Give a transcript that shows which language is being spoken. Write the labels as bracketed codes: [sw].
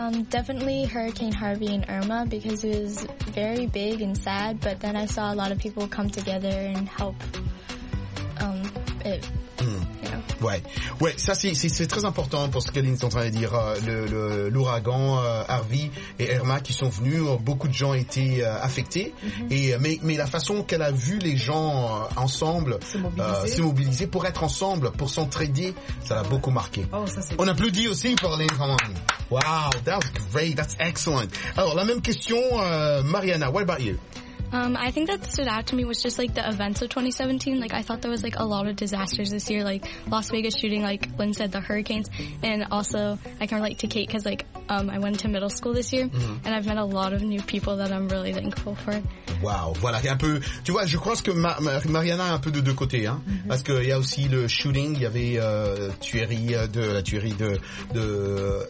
[en] Definitely Hurricane Harvey and Irma, because it was very big and sad, but then I saw a lot of people come together and help it. [fr] Ouais, ça c'est très important pour ce qu'Aline est en train de dire. L'ouragan Harvey et Irma qui sont venus, beaucoup de gens étaient affectés. Mm-hmm. Mais la façon qu'elle a vu les gens ensemble, se mobiliser pour être ensemble, pour s'entraider, ça l'a beaucoup marqué. Oh, ça c'est. On applaudit aussi pour Aline. [en] Wow, that's great, that's excellent. [fr] Alors la même question, Mariana, [en] what about you? I think that stood out to me was just like the events of 2017. Like I thought there was like a lot of disasters this year, like Las Vegas shooting, like Lynn said, the hurricanes, and also I can relate to Kate because like I went to middle school this year, mm-hmm. and I've met a lot of new people that I'm really thankful for. [fr] Wow, voilà, un peu. Tu vois, je crois que Mariana a un peu de deux côtés, hein, mm-hmm. parce que il y a aussi le shooting, il y avait la tuerie de.